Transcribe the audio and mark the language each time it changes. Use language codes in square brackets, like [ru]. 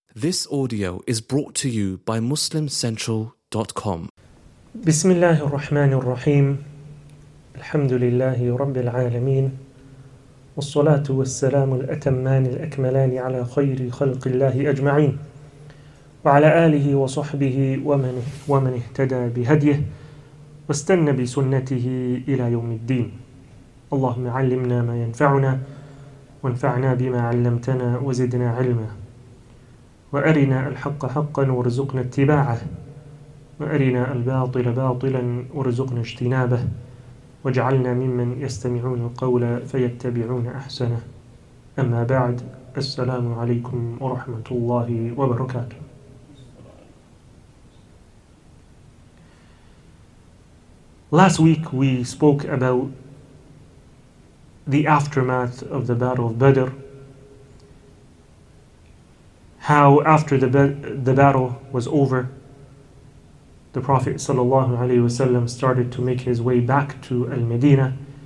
[en] This audio is brought to you by MuslimCentral.com. [ar] بسم الله الرحمن الرحيم الحمد لله رب العالمين والصلاة والسلام الأتمان الأكملان على خير خلق الله أجمعين وعلى آله وصحبه ومن اهتدى بهديه واستنى بسنته إلى يوم الدين. اللهم علمنا ما ينفعنا وانفعنا بما علمتنا وزدنا علما وأرنا الحق حقا وارزقنا اتباعه وأرنا الباطل باطلا وارزقنا اجتنابه واجعلنا ممن يستمعون القول فيتبعون أحسنه. أما بعد, السلام عليكم ورحمة الله وبركاته. [en] Last week we spoke about the aftermath of the Battle of Badr, how after the battle was over, the Prophet ﷺ started to make his way back to Al-Medina.